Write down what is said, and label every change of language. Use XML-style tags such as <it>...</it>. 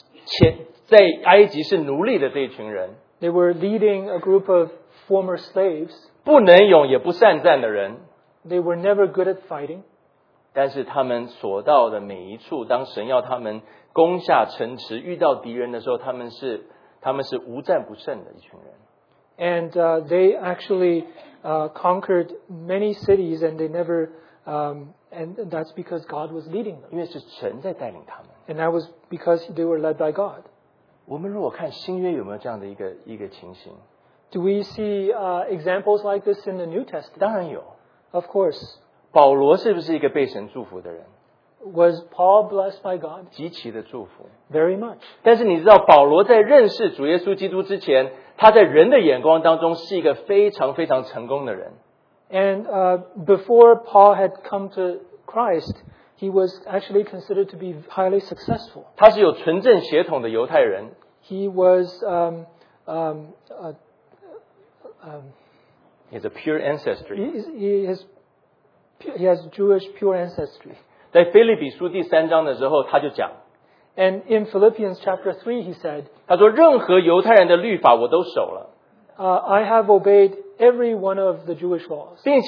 <zh>带领的是一群在埃及是奴隶的这群人。</zh> <en>They were leading a group of former slaves.</en> <zh>不能勇也不善战的人。</zh> <en>They were never good at fighting.</en> <zh>但是他们所到的每一处, 当神要他们攻下城池, 遇到敌人的时候, 他们是无战不胜的一群人。</zh> <en>And they actually conquered many cities, and they never, and that's because God was leading them.</en> <zh>因为是神在带领他们。</zh> <en>And that was because they were led by God.</en> <zh>我们如果看新约有没有这样的一个情形?</zh> <en>Do we see examples like this in the New Testament?</en> <zh>当然有。</zh> <en>Of course.</en> <zh>保罗是不是一个被神祝福的人?</zh> <en>Was Paul blessed by God?</en> <zh>极其的祝福。</zh> <en>Very much.</en> <zh>但是你知道保罗在认识主耶稣基督之前, 他在人的眼光当中是一个非常非常成功的人。</zh> <en>And before Paul had come to Christ, he was actually considered to be highly successful.</en> <zh>他是有纯正血统的犹太人。</zh> <en>He was he's a pure ancestry. He has Jewish pure ancestry.</en> <zh>在腓立比书第三章的时候，他就讲。</zh> <en>And in Philippians chapter 3, he said,</en> <zh>他说任何犹太人的律法我都守了。</zh> <en>I have obeyed every one of the Jewish laws.</en>